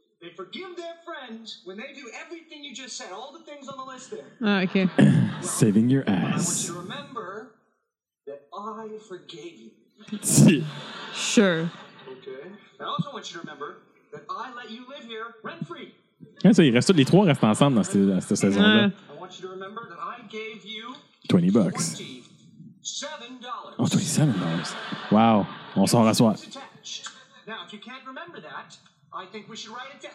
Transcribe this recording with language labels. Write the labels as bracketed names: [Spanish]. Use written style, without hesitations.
[English] They forgive their friends when they do everything you just said, all the things on the list there. Oh, okay. Well, saving your ass. I want you to remember that I forgave you. Sure. Okay. I also want you to remember that I let you live here rent free. [French] Ouais, ça, les trois restent ensemble dans cette saison-là. [English] I want you to remember that I gave you $20. $27. Oh, $27. Wow. [French] On s'en rassoit. [English] Now, if you can't remember that, I think we should write it down.